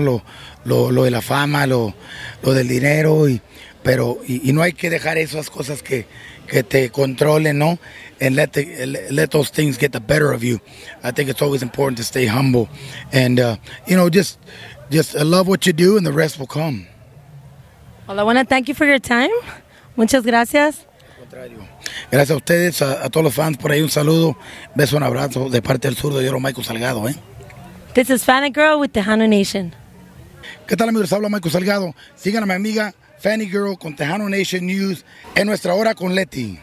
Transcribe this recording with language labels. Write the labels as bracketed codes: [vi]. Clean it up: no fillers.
[es] Lo de la fama, lo del dinero, y no hay que dejar esas cosas que te controlen, ¿no? [en] And let those things get the better of you. I think it's always important to stay humble and, you know, just love what you do and the rest will come. Well, I want to thank you for your time. [es] Muchas gracias. Gracias a ustedes, a todos los fans por ahí. Un saludo, beso, un abrazo de parte del zurdo, yo soy Michael Salgado. [en] This is Fanny Gurl with Tejano Nation. [es] ¿Qué tal, amigos? Habla Michael Salgado. Sigan a mi amiga Fanny Gurl con Tejano Nation News en nuestra hora con Leti.